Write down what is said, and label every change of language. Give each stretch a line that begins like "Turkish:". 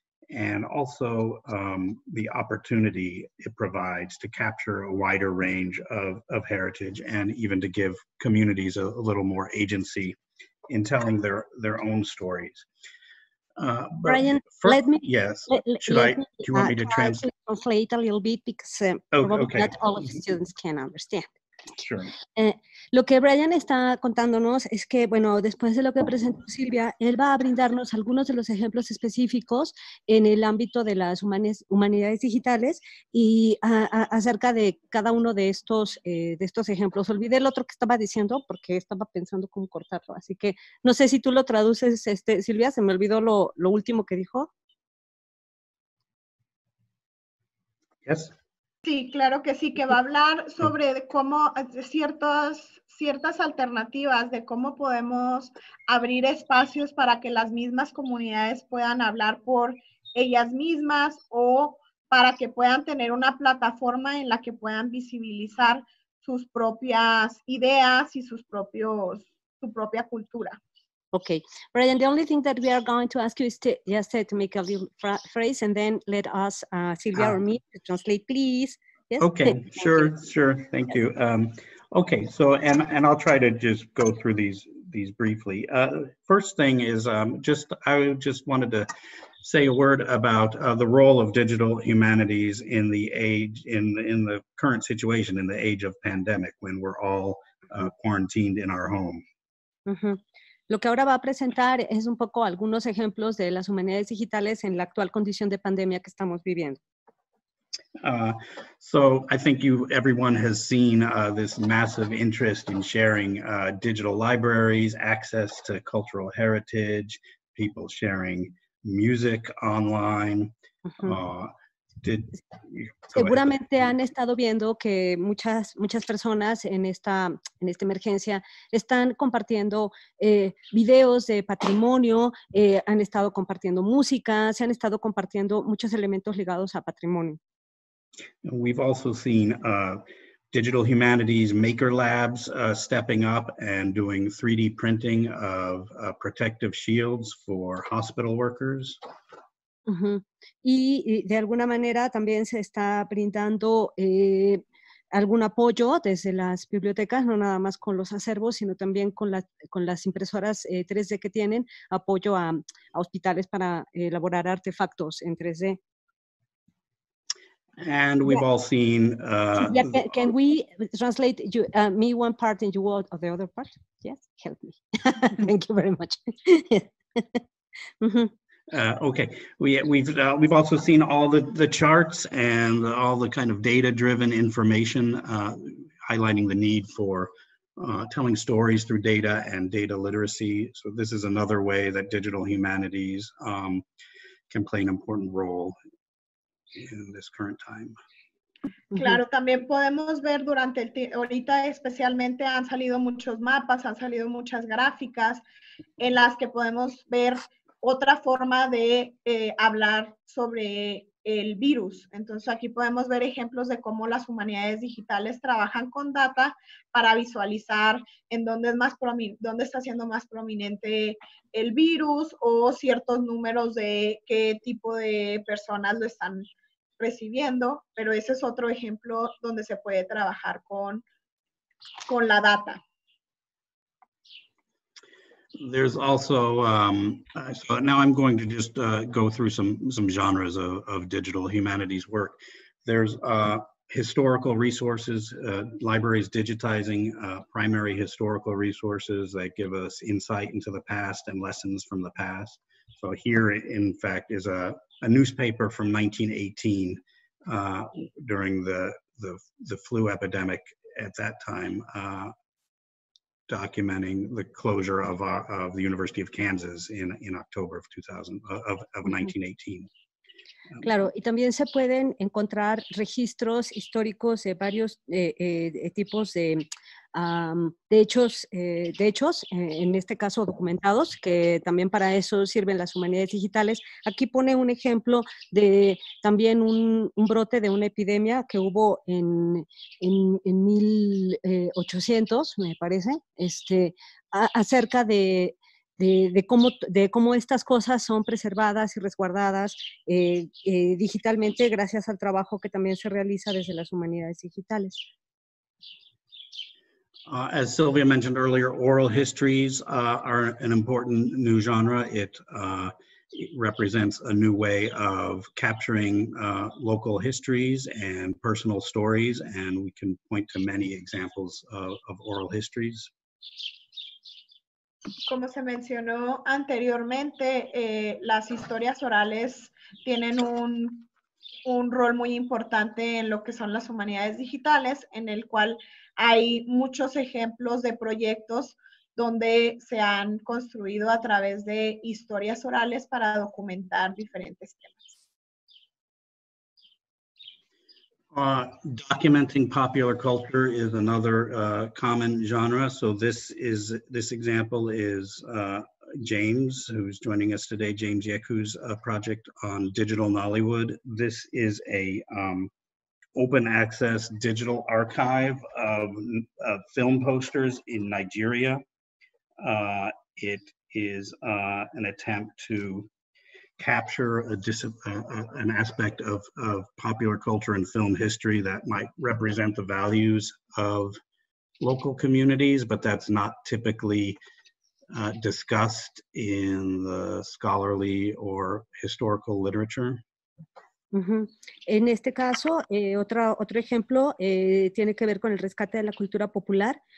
English: and also the opportunity it provides to capture a wider range of heritage, and even to give communities a little more agency in telling their own stories. Brian, let me. Yes. Do you want me to translate a little bit, because not all of the students can understand. Sure.
Spanish: Lo que Brian está contándonos es que, bueno, después de lo que presentó Silvia, él va a brindarnos algunos de los ejemplos específicos en el ámbito de las humanidades digitales y acerca de cada uno de estos ejemplos. Olvidé el otro que estaba diciendo porque estaba pensando cómo cortarlo. Así que no sé si tú lo traduces, Silvia, se me olvidó lo último que dijo.
English: Yes.
Spanish: Sí, claro que sí, que va a hablar sobre cómo ciertas alternativas de cómo podemos abrir espacios para que las mismas comunidades puedan hablar por ellas mismas, o para que puedan tener una plataforma en la que puedan visibilizar sus propias ideas y su propia cultura.
English: Okay, Brian, the only thing that we are going to ask you is to to make a little phrase, and then let us, Silvia or me, to translate, please. Yes? Okay, sure. Thank you. Okay, so, and I'll try to just go through these briefly. First thing is, I just wanted to say a word about the role of digital humanities in the age, in the current situation, in the age of pandemic, when we're all quarantined in our home. Mm-hmm.
Spanish: Lo que ahora va a presentar es un poco algunos ejemplos de las humanidades digitales en la actual condición de pandemia que estamos viviendo.
English: So I think everyone has seen this massive interest in sharing digital libraries, access to cultural heritage, people sharing music online. Uh-huh.
Spanish: Seguramente han estado viendo que muchas personas en esta emergencia están compartiendo videos de patrimonio, han estado compartiendo música, se han estado compartiendo muchos elementos ligados a patrimonio.
English: We've also seen digital humanities maker labs stepping up and doing 3D printing of protective shields for hospital workers.
Spanish: Uh-huh. Y de alguna manera también se está brindando algún apoyo desde las bibliotecas, no nada más con los acervos, sino también con las impresoras 3D que tienen, apoyo a hospitales para elaborar artefactos en 3D.
English: And we've all seen... Can we translate you, me one part and you all of the other part? Yes, help me. Thank you very much. Uh-huh. Okay, we've also seen all the charts and all the kind of data-driven information highlighting the need for telling stories through data and data literacy. So this is another way that digital humanities can play an important role in this current time.
Spanish: Claro, también podemos ver durante ahorita especialmente han salido muchos mapas, han salido muchas gráficas en las que podemos ver otra forma de hablar sobre el virus. Entonces aquí podemos ver ejemplos de cómo las humanidades digitales trabajan con data para visualizar en dónde está siendo más prominente el virus, o ciertos números de qué tipo de personas lo están recibiendo. Pero ese es otro ejemplo donde se puede trabajar con la data.
English: There's also, so now I'm going to just go through some genres of digital humanities work. There's historical resources, libraries digitizing primary historical resources that give us insight into the past and lessons from the past. So here, in fact, is a newspaper from 1918 during the the flu epidemic at that time, documenting the closure of our, of the University of Kansas in October of 1918.
Spanish: Claro, y también se pueden encontrar registros históricos de varios tipos de hechos, en este caso documentados, que también para eso sirven las humanidades digitales. Aquí pone un ejemplo de también un brote de una epidemia que hubo en 1800, me parece, acerca de cómo estas cosas son preservadas y resguardadas digitalmente gracias al trabajo que también se realiza desde las humanidades digitales.
English: As Sylvia mentioned earlier, oral histories are an important new genre. It represents a new way of capturing local histories and personal stories, and we can point to many examples of oral histories.
Spanish: Como se mencionó anteriormente, las historias orales tienen un rol muy importante en lo que son las humanidades digitales, en el cual hay muchos ejemplos de proyectos donde se han construido a través de historias orales para documentar diferentes temas.
English: Documenting popular culture is another common genre. So this example is James, who's joining us today, James Yeku's project on digital Nollywood. This is a open access digital archive of film posters in Nigeria. It is an attempt to capture an aspect of popular culture and film history that might represent the values of local communities, but that's not typically discussed in the scholarly or historical literature. Uh-huh.
Spanish: En este caso, otro ejemplo tiene que ver con el rescate de la cultura popular.